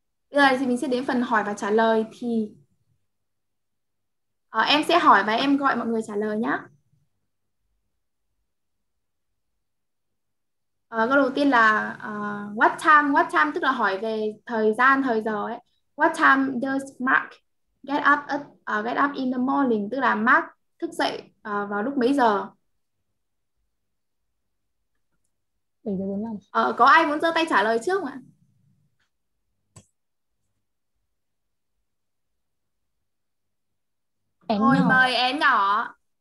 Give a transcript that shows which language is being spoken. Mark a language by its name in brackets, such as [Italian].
[Vietnamese] Bây giờ thì mình sẽ đến phần hỏi và trả lời. Thì em sẽ hỏi và em gọi mọi người trả lời nhé. Câu đầu tiên là [English] what time? What time [Vietnamese] tức là hỏi về thời gian, thời giờ ấy. [English] What time does Mark get up at, get up in the morning? [Vietnamese] Tức là Mark thức dậy vào lúc mấy giờ? 7:45. Có ai muốn giơ tay trả lời trước không ạ? Em thôi nhỏ. Mời em nhỏ.